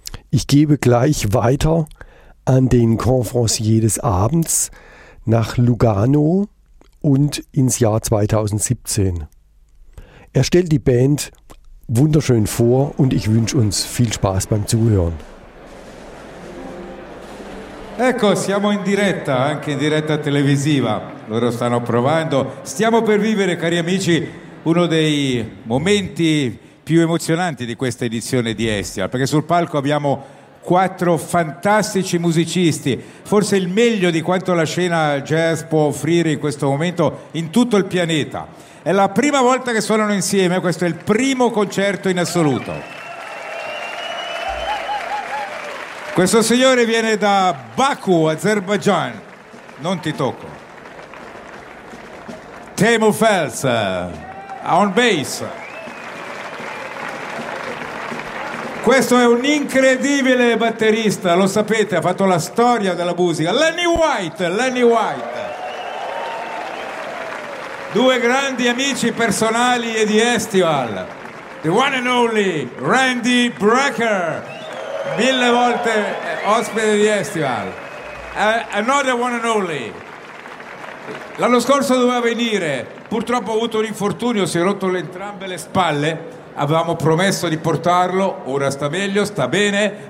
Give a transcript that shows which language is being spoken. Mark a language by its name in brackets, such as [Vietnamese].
[German] Ich gebe gleich weiter an den Conferencier des Abends nach Lugano und ins Jahr 2017. Er stellt die Band wunderschön vor und ich wünsche uns viel Spaß beim Zuhören. [Italian] Ecco, siamo in diretta, anche in diretta televisiva. Loro stanno provando. Stiamo per vivere, cari amici, uno dei momenti più emozionanti di questa edizione di Estia, perché sul palco abbiamo quattro fantastici musicisti, forse il meglio di quanto la scena jazz può offrire in questo momento in tutto il pianeta. È la prima volta che suonano insieme, questo è il primo concerto in assoluto. Questo signore viene da Baku, Azerbaigian. Non ti tocco. [English] Temu Fels, on bass. [Italian] Questo è un incredibile batterista, lo sapete, ha fatto la storia della musica. Lenny White. Due grandi amici personali e di Estival. [English] The one and only Randy Brecker. [Italian] Mille volte ospite di Estival. [English] Another one and only. [Italian] L'anno scorso doveva venire, purtroppo ha avuto un infortunio, si è rotto entrambe le spalle. Avevamo promesso di portarlo, ora sta meglio, sta bene.